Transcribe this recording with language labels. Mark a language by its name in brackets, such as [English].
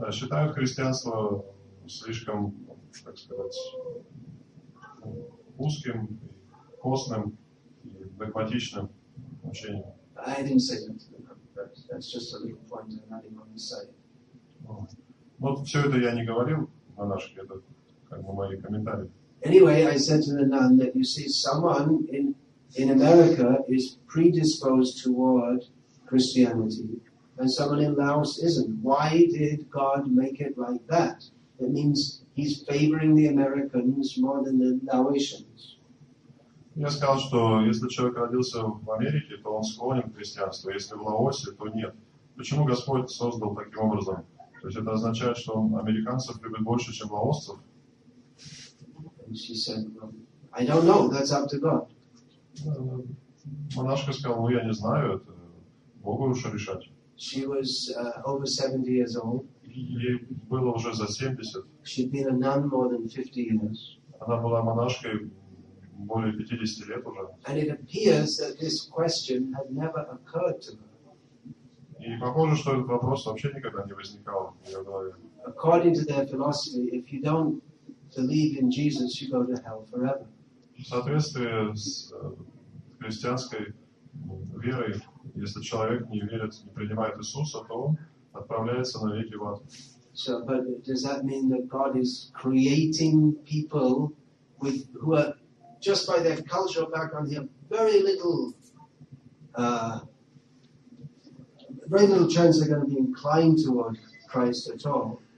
[Russian] Считают христианство слишком, так сказать, узким, костным и догматичным учением. [English] I didn't say that. That's just a little point I'm adding on the side. [Russian] Ну, все это я не говорил на наших, это как бы мои комментарии. [English] Anyway, I said to the nun that you see someone in America is predisposed toward Christianity and someone in Laos isn't. Why did God make it like that? That means he's favoring the Americans more than the Laotians. [Russian] Я сказал, что если человек родился в Америке, то он склонен к христианству. Если в Лаосе, то нет. Почему Господь создал таким образом? То есть это означает, что он американцев любит больше, чем лаосцев? [English] And she said, well, I don't know, that's up to God. [Russian] Монашка сказала, ну я не знаю, это Богу уж решать. [English] She was over 70 years old. [Russian] Ей было уже за 70. [English] She'd been a nun more than 50 years. [Russian] Она была монашкой более 50 лет уже. [English] And it appears that this question had never occurred to her. [Russian] И похоже, что этот вопрос вообще никогда не возникал в ее голове. [English] According to their philosophy, if you don't believe in Jesus, you go to hell forever. [Russian] В соответствии с христианской верой, если человек не верит, не принимает Иисуса, то он отправляется навеки в ад. [English] So, but does that mean that God is creating people with who are just by their cultural background here very little chance they're going to be inclined toward Christ at all?